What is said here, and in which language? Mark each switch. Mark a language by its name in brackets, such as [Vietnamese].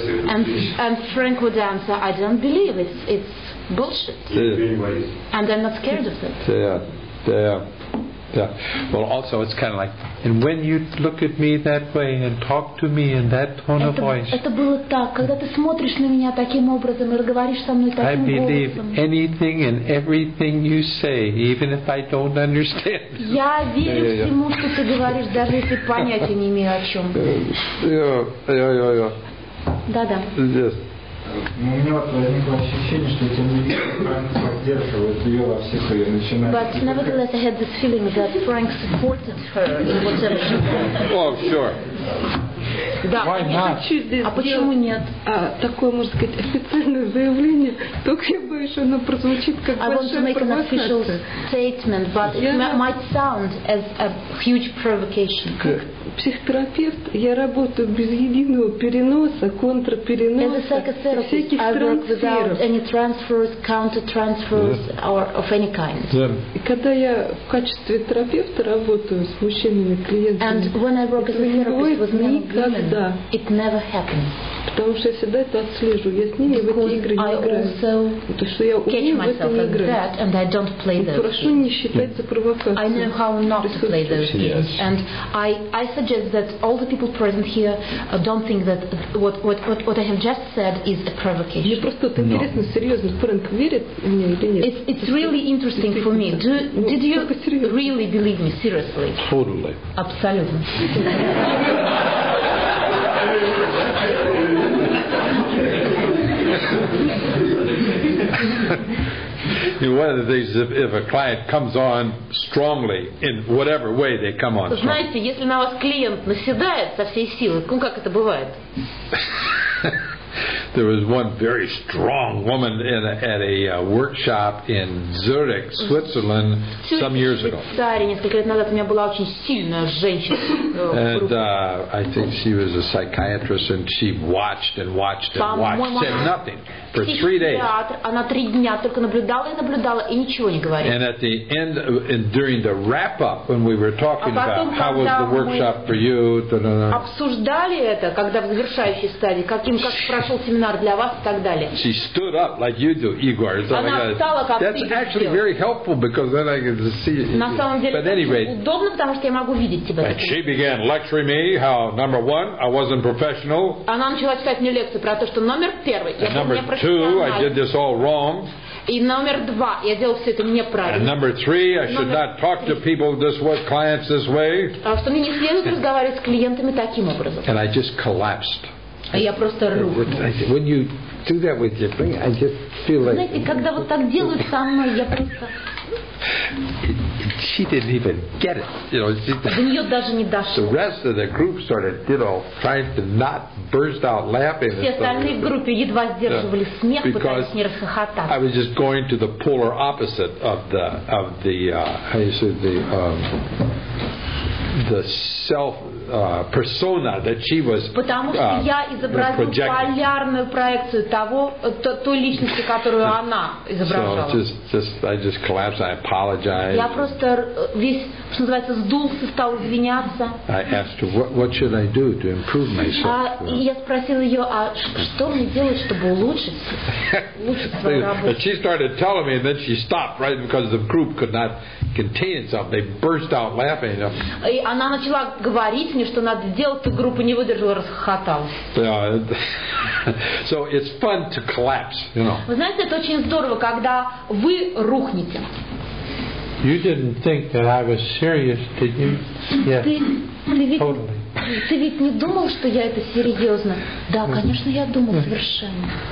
[English] And Frank would answer, I don't believe, it's bullshit. Yeah. And I'm not scared of it. Yeah. Well, also, it's kind of like, and when you look at me that way and talk to me in that tone of voice. [Russian] Это было так, когда ты смотришь на меня таким образом и разговариваешь со мной таким голосом. [English] I believe anything and everything you say, even if I don't understand. [Russian] Я верю всему, что ты говоришь, даже если понятия не имею о чем. Да. [English] Yes. [Russian] У меня возникло ощущение, что эти люди поддерживают ее во всех ее начинаниях. [English] But nevertheless, I had this feeling that Frank supported her in whatever she did. Oh, sure. [Russian] Да, [English] why not? [Russian] А почему нет? А, такое, можно сказать, официальное заявление, только я боюсь, что оно прозвучит как большая провокация. [English] I want to make an official statement, but it might sound as a huge provocation. [Russian] Как психотерапевт, я работаю без единого переноса, контрпереноса, всяких трансферов. [English] Counter-transfers or of any kind. [Russian] И когда я в качестве терапевта работаю с мужчинами, клиентами, [English] and when I work as a therapist with men, [Russian] никогда, [English] it never happens. [Russian] Потому что я всегда это отслежу. Я с ними [English] because [Russian] в эти игры не играю. То, что я умею в это не играть. И прошу не считать за провокацию. [English] I know how not to play those games. Yes. And I suggest that all the people present here don't think that what I have just said is a provocation. [Russian] Мне просто это интересно, серьезно. Фрэнк верит в меня или нет? [English] It's really interesting for me. Did you really believe me? Seriously? Totally. [Russian] Абсолютно. [English] One of the things, if a client comes on strongly in whatever way they come on. [Russian] Знаете, если на вас клиент наседает со всей силы, ну как это бывает? [English] There was one very strong woman at a workshop in Zurich, Switzerland, some years ago. [Russian] Несколько лет назад у меня была очень сильная женщина. [English] And I think she was a psychiatrist, and she watched and watched and watched, said nothing for 3 days. [Russian] Она 3 дня только наблюдала и наблюдала и ничего не говорила. [English] And at the end, and during the wrap up, when we were talking about how was the workshop for you, [Russian] обсуждали это, когда в завершающей стадии, как прошел семинар для вас и так далее. [English] She stood up like you do, Igor. [Russian] Она встала, как ты. [English] That's actually very helpful because then I get to see. [Russian] На самом деле, [English] but anyway, [Russian] удобно, потому что я могу видеть тебя. [English] And she began lecturing me how number one I wasn't professional. [Russian] Она начала читать мне лекцию про то, что номер первый, я не профессионал. [English] I did this all wrong. [Russian] И номер два, я делал все это неправильно. [English] And number three, I should not talk to people this way, clients this way. [Russian] А что мне не следует разговаривать с клиентами таким образом? [English] And I just collapsed. [Russian] А я просто рухнул. [English] When you do that with your brain, I just feel like. [Russian] Знаете, когда вот так делают со мной, я просто. [English] She didn't even get it. You know, she. [Russian] До нее даже не дошло. [English] The rest of the group started, you know, trying to not burst out laughing. [Russian] Все остальные в группе едва сдерживали смех, пытались не расхохотаться. [English] I was just going to the polar opposite of the how you say the self persona that she was [Russian] потому что я изобразил полярную проекцию того той личности, которую она изображала. [English] So just I just collapsed. I apologized. [Russian] Я просто весь, что называется, сдулся, стал извиняться. [English] I asked her, what should I do to improve myself? [Russian] Я спросил ее, а что мне делать, чтобы улучшить свою работу? [English] And she started telling me, and then she stopped, right, because the group could not contain itself. They burst out laughing. [Russian] И она начала говорить мне, что надо делать, и группа не выдержала, расхохоталась. [English] Yeah. So it's fun to collapse, you know. [Russian] Вы знаете, это очень здорово, когда вы рухнете. [English] You didn't think that I was serious, did you? Yes. Totally. [Russian] Ты ведь не думал, что я это серьезно? Да, конечно, я думал совершенно.